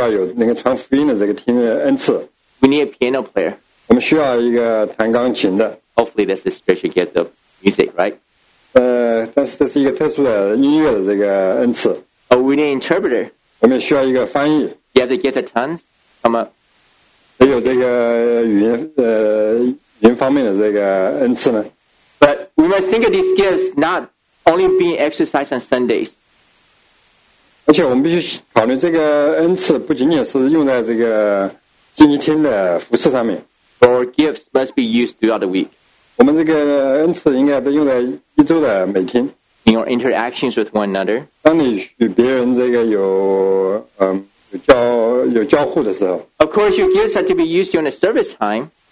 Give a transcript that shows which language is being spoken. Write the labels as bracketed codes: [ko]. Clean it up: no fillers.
[zh] 我们也需要一个我们有一个福音组的。我们这个福音组也需要有那个传福音的这个听恩赐。 [en] We need a piano player. [zh] 我们需要一个弹钢琴的。 [en] Hopefully, that's the special gift of music, right? [zh] 但是这是一个特殊的音乐的这个恩赐。 [en] Oh, we need interpreter. [zh] 我们需要一个翻译。 [en] You have to get the tongues. Come up. [zh] 也有这个语言方面的这个恩赐呢。 [en] But we must think of these gifts not only being exercised on Sundays. [zh] 而且我们必须考虑这个恩赐不仅仅是用在这个星期天的服侍上面。 [en] Our gifts must be used throughout the week. [zh] 我们这个恩赐应该都用在一周的每天。 [en] In your interactions with one another. [zh] 当你与别人这个有交互的时候。 [en] Of course, your gifts have to be used during the service time.